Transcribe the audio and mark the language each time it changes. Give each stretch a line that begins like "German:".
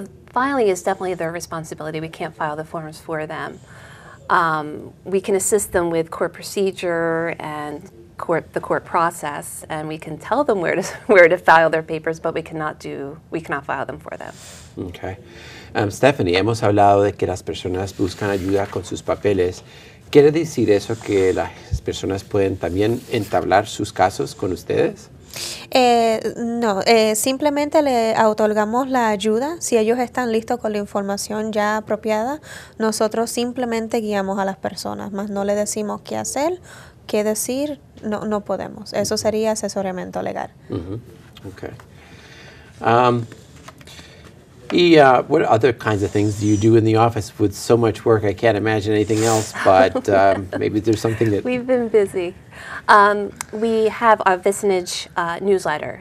English: Filing is definitely their responsibility. We can't file the forms for them. We can assist them with court procedure and the court process, and we can tell them where to file their papers, but we cannot file them for them. Okay.
Spanish: Stephanie, hemos hablado de que las personas buscan ayuda con sus papeles. ¿Quiere decir eso que las personas pueden también entablar sus casos con ustedes? No, simplemente le otorgamos la ayuda. Si ellos están listos con la información ya apropiada, nosotros simplemente guiamos a las personas, más no le decimos qué hacer, qué decir, no podemos. Eso sería asesoramiento legal.
English: Mm-hmm. Okay. What other kinds of things do you do in the office with so much work? I can't imagine anything else, but maybe there's something that... We've been busy. We have our Vicinage newsletter.